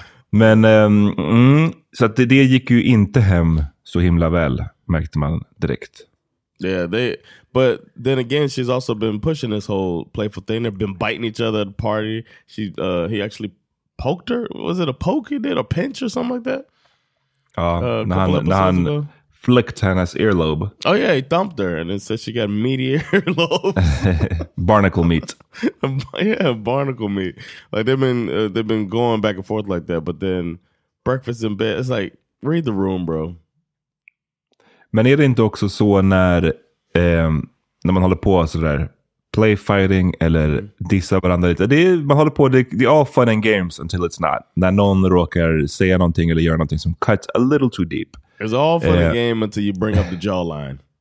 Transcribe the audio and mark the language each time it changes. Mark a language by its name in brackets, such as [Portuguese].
[Swedish] Men så att det gick ju inte hem så himla väl, märkte man direkt. [English] Yeah, but then again, she's also been pushing this whole playful thing. They've been biting each other at the party. He actually poked her. Was it a poke he did, a pinch or something like that? Nah, flicked Hannah's earlobe. Oh yeah, he thumped her and then said she got meaty earlobe. Barnacle meat. Yeah, barnacle meat. Like they've been going back and forth like that, but then breakfast in bed, it's like, read the room, bro. [Swedish] Men är det inte också så när man håller på så där [English] play fighting [Swedish] eller dissa varandra lite. Man håller på, det är [English] all fun and games until it's not. [Swedish] När någon råkar säga någonting eller göra någonting som [English] cuts a little too deep. It's all fun and game until you bring up the jawline.